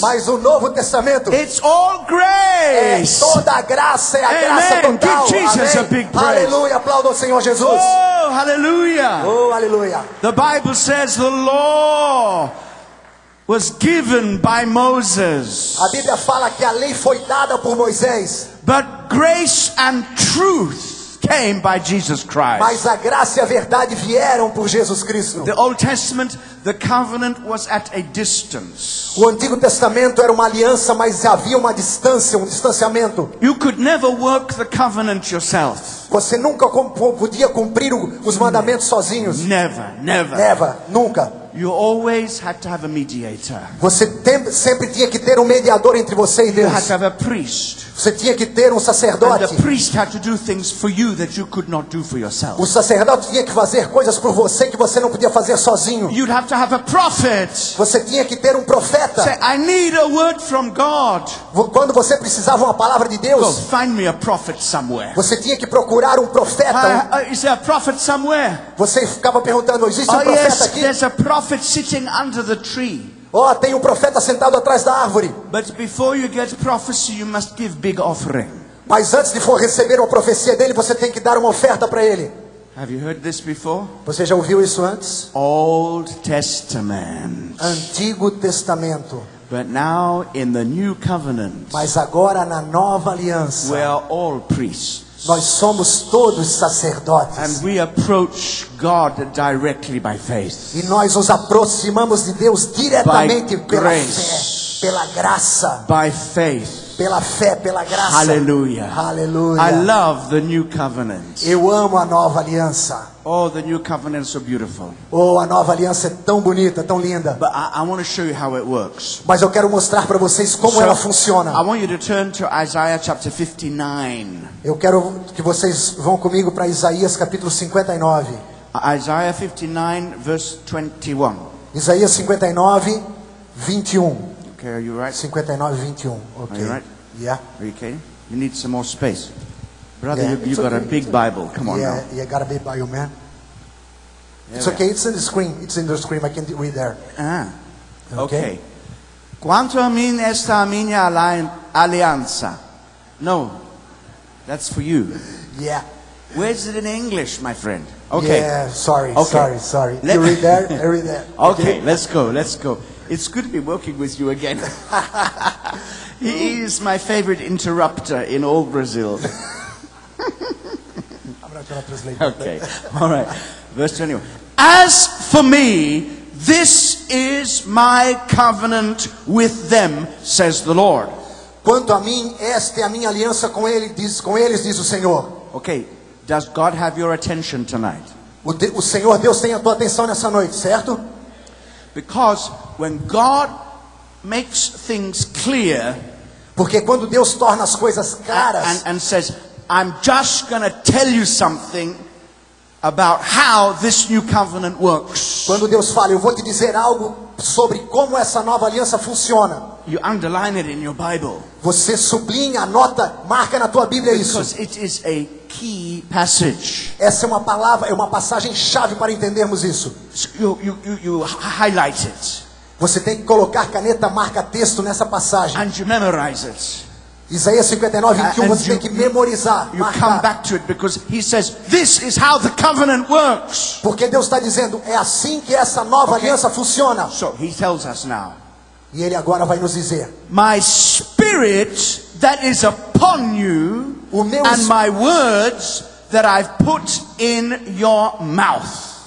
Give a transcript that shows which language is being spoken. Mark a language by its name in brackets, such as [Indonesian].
[Portuguese] mas o Novo Testamento, [English] it's all grace. [Portuguese] É toda a graça, é a [English] Amen. [Portuguese] Graça total. [English] Give Jesus A big praise. [Portuguese] Aleluia, aplauda o Senhor Jesus. [English] Oh, hallelujah. [Portuguese] Oh, aleluia. [English] The Bible says the law was given by Moses. [Portuguese] A Bíblia fala que a lei foi dada por Moisés. [English] But grace and truth came by Jesus Christ. [Portuguese] Mas a graça e a verdade vieram por Jesus Cristo. [English] The Old Testament, the covenant was at a distance. [Portuguese] O Antigo Testamento era uma aliança, mas havia uma distância, um distanciamento. [English] You could never work the covenant yourself. [Portuguese] Você nunca podia cumprir os mandamentos sozinhos. [English] Never, never. Never, [Portuguese] nunca. [English] You always had to have a mediator. [Portuguese] Você sempre tinha que ter um mediador entre você e Deus. [English] You had to have a priest. [Portuguese] Você tinha que ter um sacerdote. [English] And the priest had to do things for you that you could not do for yourself. [Portuguese] O sacerdote tinha que fazer coisas por você que você não podia fazer sozinho. [English] You'd have to have a prophet. [Portuguese] Você tinha que ter um profeta. [English] Say, I need a word from God. [Portuguese] Quando você precisava uma palavra de Deus, [English] go find me a prophet somewhere. [Portuguese] Você tinha que procurar um profeta. [English] Is there a prophet somewhere? [Portuguese] Você ficava perguntando, existe oh, um profeta [English] yes, [Portuguese] aqui? [English] There's a prophet sitting under the tree. [Portuguese] Oh, tem um profeta sentado atrás da árvore. [English] But before you get prophecy, you must give big offering. [Portuguese] Mas antes de for receber uma profecia dele, você tem que dar uma oferta para ele. [English] Have you heard this before? [Portuguese] Você já ouviu isso antes? [English] Old Testament. [Portuguese] Antigo Testamento. [English] But now in the new covenant. [Portuguese] Mas agora na nova aliança. [English] We are all priests. [Portuguese] Nós somos todos sacerdotes. [English] And we approach God directly by faith. [Portuguese] E nós nos aproximamos de Deus diretamente [English] by [Portuguese] pela [English] grace. [Portuguese] Fé, pela graça. [English] By faith. [Portuguese] Pela fé, pela graça. [English] Hallelujah. Hallelujah. I love the new covenant. [Portuguese] Eu amo a nova aliança. [English] Oh, the new covenant is so beautiful. [Portuguese] Oh, a nova aliança é tão bonita, tão linda. [English] But I want to show you how it works. [Portuguese] Mas eu quero mostrar para vocês como [English] so, [Portuguese] ela funciona. [English] I want you to turn to Isaiah chapter 59. [Portuguese] Eu quero que vocês vão comigo para Isaías capítulo 59. [English] Isaiah 59 verse 21. [Portuguese] Isaías 59 21. [English] Okay, are you right? 59, 21. Okay. Are you right? Yeah. Are you okay? You need some more space. Brother, yeah, you got okay. A big Bible. Come on yeah, now. Yeah, you got a big Bible, man. There it's okay. Are. It's in the screen. It's in the screen. I can't read there. [Portuguese] Okay. Quanto a mim esta minha aliança? [English] No. That's for you. Yeah. Where's it in English, my friend? Okay. Yeah, sorry. Okay. Sorry. You read there? I read there. Okay. Let's go. It's good to be working with you again. He is my favorite interrupter in all Brazil. I'm not going to translate. Okay. All right. Verse 21. As for me, this is my covenant with them, says the Lord. [Portuguese] Quanto a mim, esta é a minha aliança com eles, diz o Senhor. [English] Okay. Does God have your attention tonight? [Portuguese] O Senhor Deus tem a tua atenção nessa noite, certo? [English] Because when God makes things clear, [Portuguese] porque quando Deus torna as coisas claras, [English] and says, I'm just going to tell you something about how this new covenant works. [Portuguese] Quando Deus fala, eu vou te dizer algo sobre como essa nova aliança funciona. [English] You underline it in your Bible. [Portuguese] Você sublinha, anota, marca na tua Bíblia [English] because [Portuguese] isso. [English] Because it is a key passage. [Portuguese] Essa é uma palavra, é uma passagem chave para entendermos isso. [English] So you highlight it. [Portuguese] Você tem que colocar caneta marca texto nessa passagem. [English] And you memorize it. [Portuguese] Isaías 59, 21, você tem que memorizar. [English] You come back to it because he says this is how the covenant works. [Portuguese] Porque Deus está dizendo é assim que essa nova aliança funciona. [English] So he tells us now. [Portuguese] E ele agora vai nos dizer. [English] My spirit that is upon you and my words that I've put in your mouth.